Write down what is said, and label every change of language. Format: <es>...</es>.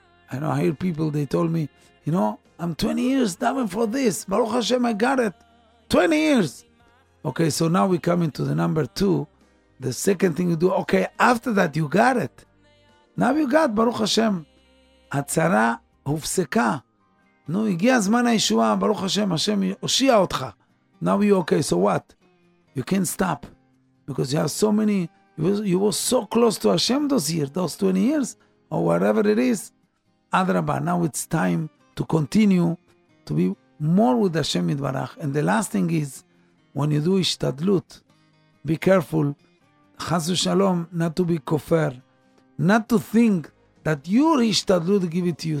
<en>I know, I hear people, they told me, you know, I'm 20 years davening for this. Baruch Hashem, I got it. 20 years. Okay, so now we come into the number two. The second thing you do, okay, after that you got it. Now you got, Baruch Hashem, atzara hufseka.</en> <he>No, הגיע הזמן הישועה, ברוך השם, השם הושיע אותך.</he> <en>Now you're okay, so what? You can't stop. Because you have so many, you were so close to Hashem those 20 years, or whatever it is. Adrabah, now it's time to continue to be more with Hashem Yitbarach. And the last thing is, when you do ishtadlut, be careful, chas v'shalom, not to be kofer, not to think that your ishtadlut give it to you.</en>